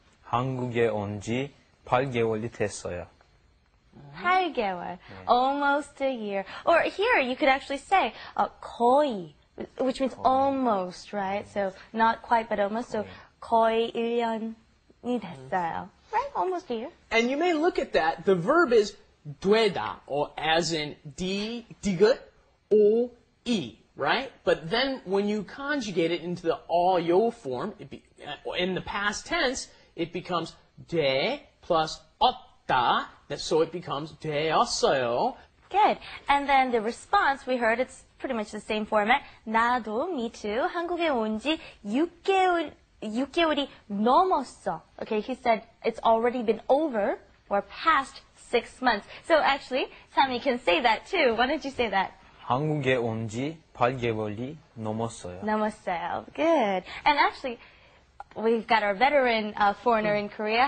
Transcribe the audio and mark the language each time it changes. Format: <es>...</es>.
<ko>한국에 온 지 8개월이 됐어요. 8개월.</ko> <en>Yeah. Almost a year. Or here you could actually say 거의, which means 거의. Almost, right? So not quite but almost. 거의. So</en> <ko>거의 1년이 됐어요.</ko> <en>Right? Almost a year. And you may look at that. The verb is 되다, or as in 되긋, 오이, right? But then when you conjugate it into the 어요 form, in the past tense, it becomes 되 plus 었다, so it becomes 되었어요. Good. And then the response we heard, it's pretty much the same format.</en> <ko>나도,</ko> <en>me too,</en> <ko>한국에 온 지 6개월이 넘었어.</ko> <en>Okay, he said it's already been over or past 6 months. So actually, Sammy can say that too. Why don't you say that?</en> <ko>한국에 온 지 8개월이 넘었어요. 넘었어요.</ko> <en>Good. And actually, we've got our veteran foreigner in Korea.</en>